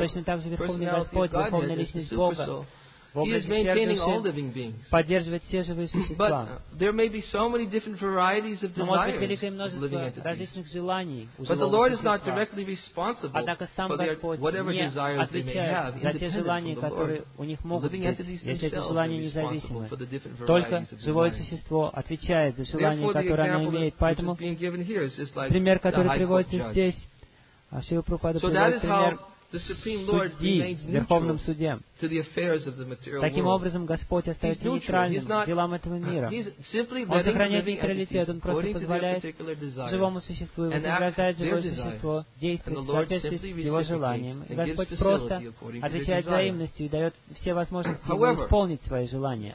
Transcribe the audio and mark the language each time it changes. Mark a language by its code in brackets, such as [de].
[ru] Точно так же Верховный Господь, Верховная Личность Бога, поддерживает все живые существа. [en] There may be so many different varieties of desires. [ru] Но может быть великое множество различных желаний. [en] But the Lord is not directly responsible for their whatever desires they may have. [ru] За те желания, которые у них могут быть, если эти желания независимы. Только живое существо отвечает за желания, которые оно имеет. Поэтому пример, который приводится здесь, Шрила Прабхупада приводит пример. [en] The Supreme Lord remains neutral to the affairs of the material [ru] Таким образом, Господь остается нейтральным делам этого мира. Он сохраняет нейтралитет, Он просто позволяет живому существу и вознаграждает живое существо действовать в соответствии с его желанием. И Господь просто отвечает взаимностью и дает все возможности ему исполнить свои желания.